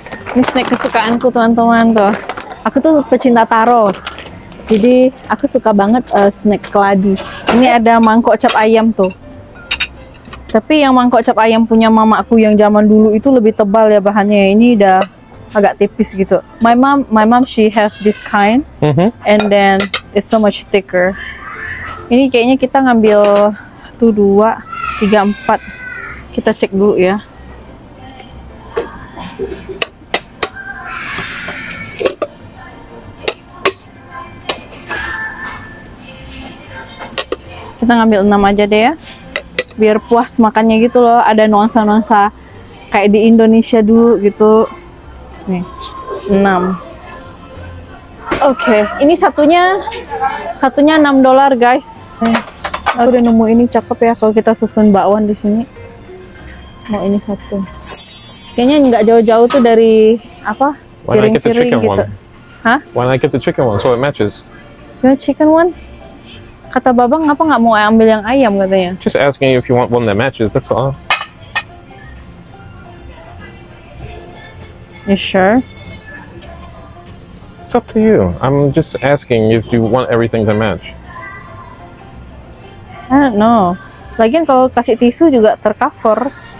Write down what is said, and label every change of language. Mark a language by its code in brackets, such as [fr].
[id] Ini snack kesukaanku, teman-teman tuh. Aku tuh pecinta taro. Jadi aku suka banget snack keladi. Ini ada mangkok cap ayam tuh. Tapi yang mangkok cap ayam punya mamaku yang zaman dulu itu lebih tebal ya bahannya. Ini udah agak tipis gitu. [en] My mom she have this kind. And then it's so much thicker. [id] Ini kayaknya kita ngambil 1 2 3 4. Kita cek dulu ya. Kita ngambil 6 aja deh ya. Biar puas makannya gitu loh, ada nuansa-nuansa kayak di Indonesia dulu gitu. Nih, 6. Oke, ini satunya $6, guys. Nih, aku udah nemu ini cakep ya kalau kita susun bakwan di sini. Mau ini satu. Kayaknya nggak jauh-jauh tuh dari apa? Piring-piring gitu. [en] Hah? Why not get the chicken one so it matches? You want chicken one? [id] Kata Baba, ngapa nggak mau ambil yang ayam katanya? [en] Just asking if you want one that matches, that's all. You sure? It's up to you. I'm just asking if you want everything to match. I don't know. [id] Lagian kalau kasih tisu juga tercover.